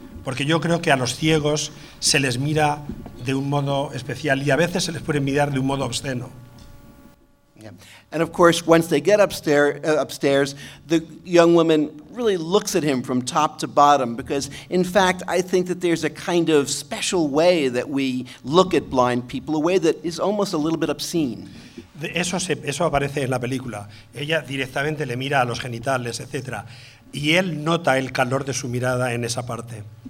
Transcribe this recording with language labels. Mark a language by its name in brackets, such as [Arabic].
[Spanish] Porque yo creo que a los ciegos se les mira de un modo especial y a veces se les puede mirar de un modo obsceno. [English] And of course, once they get upstairs, the young woman really looks at him from top to bottom, because in fact, I think that there's a kind of special way that we look at blind people, a way that is almost a little bit obscene. [Spanish] Eso aparece en la película. Ella directamente le mira a los genitales, etc. Y él nota el calor de su mirada en esa parte.